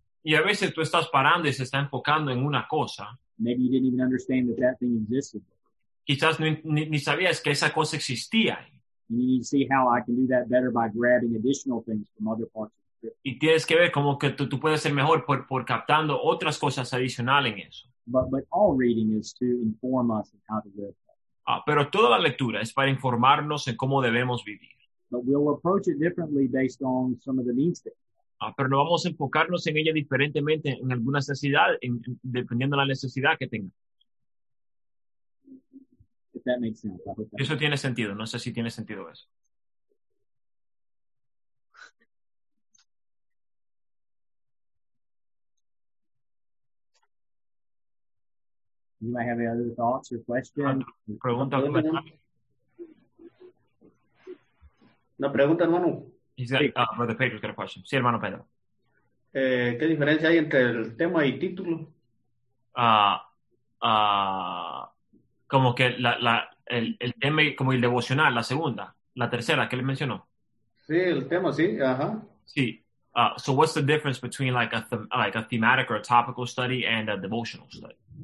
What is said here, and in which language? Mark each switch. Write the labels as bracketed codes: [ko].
[es] Y a veces tú estás parando y se está enfocando en una cosa. [en] Maybe you didn't even understand that that thing existed. [es] Quizás ni sabías que esa cosa existía. [en] And you need to see how I can do that better by grabbing additional things from other parts of the script. [es] Y tienes que ver cómo que tú puedes ser mejor por captando otras cosas adicionales en eso. [en] But all reading is to inform us of how to live. [es] Pero toda la lectura es para informarnos en cómo debemos vivir. [en] But we'll approach it differently based on some of the needs that we have. [es] Pero no vamos a enfocarnos en ella diferentemente en alguna necesidad, dependiendo de la necesidad que tenga. [en] If that makes sense, I hope that [es] eso tiene sentido. No sé si tiene sentido eso. [en] You might have any other thoughts or questions? [es] Pregunta. No pregunta, hermano. [en] He's got, Brother Pedro's got a question. [es] Sí, hermano Pedro. ¿Qué diferencia hay entre el tema y título? Como que el tema, como el devocional, la segunda, la tercera, ¿qué le mencionó? Sí, el tema, sí, ajá. Sí. [en] So what's the difference between like a thematic or a topical study and a devotional study?